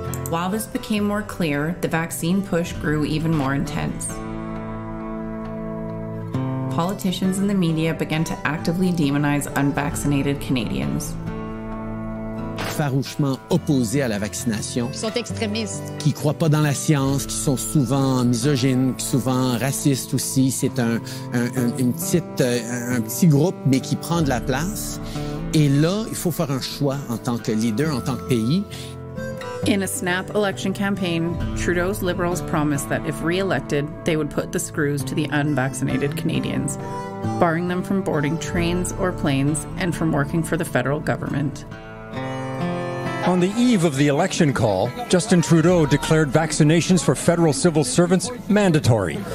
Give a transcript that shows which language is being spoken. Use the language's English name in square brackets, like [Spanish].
[English] While this became more clear, the vaccine push grew even more intense. Politicians and the media began to actively demonize unvaccinated Canadians. [French] Farouchement opposés à la vaccination. Ils sont extrémistes. Qui croient pas dans la science, qui sont souvent misogynes, souvent racistes aussi. C'est un petit groupe, mais qui prend de la place. Et là, il faut faire un choix en tant que leader, en tant que pays. [English] In a snap election campaign, Trudeau's Liberals promised that if re-elected, they would put the screws to the unvaccinated Canadians, barring them from boarding trains or planes and from working for the federal government. On the eve of the election call, Justin Trudeau declared vaccinations for federal civil servants mandatory.